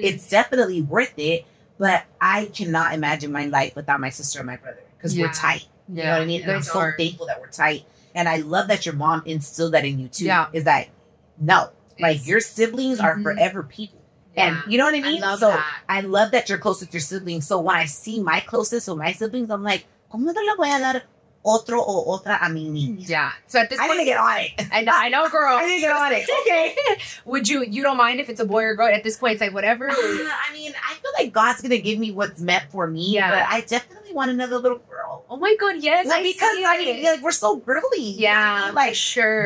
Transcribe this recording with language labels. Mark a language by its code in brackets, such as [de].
[en] It's definitely worth it. But I cannot imagine my life without my sister and my brother because we're tight. Yeah. You know what I mean? Yeah, I'm so thankful that we're tight. And I love that your mom instilled that in you too. Yeah. Is that, no, like your siblings are forever people. Yeah. And you know what I mean? I love that you're close with your siblings. So when I see my closest or my siblings, I'm like, [es] ¿cómo te lo voy a dar otro o otra a mi niña? [en] Yeah. So at this point, I didn't get on it. I know, girl. I didn't get on it. Okay. Would you don't mind if it's a boy or girl at this point? It's like, whatever. I mean, I feel like God's going to give me what's meant for me. Yeah. But I definitely want another little girl. Oh my God. Yes. Like, because we're so girly. Yeah. Like, sure.